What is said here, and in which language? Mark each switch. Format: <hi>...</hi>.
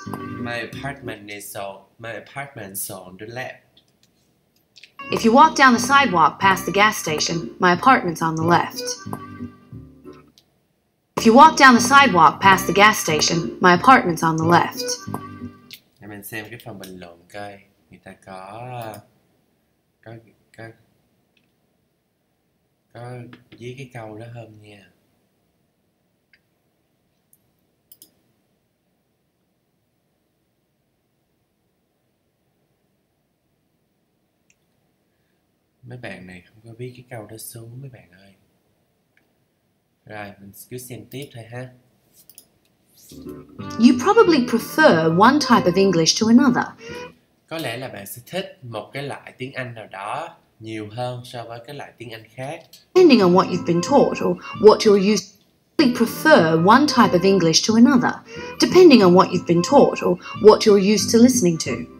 <en>My apartment's on the left. If you walk down the sidewalk past the gas station, my apartment's on the left. If you walk down the sidewalk past the gas station, my apartment's on the left.</en> <vi>Để mình xem cái phần bình luận coi, người ta có dí cái câu đó không nha. Mấy bạn này không có biết cái câu đó xuống mấy bạn ơi. Rồi, mình cứ xem tiếp thôi ha.</vi> <en>You probably prefer one type of English to another.</en> <vi>Có lẽ là bạn sẽ thích một cái loại tiếng Anh nào đó nhiều hơn so với cái loại tiếng Anh khác.</vi> <en>Depending on what you've been taught or what you're used to. Probably prefer one type of English to another. Depending on what you've been taught or what you're used to listening to.</en>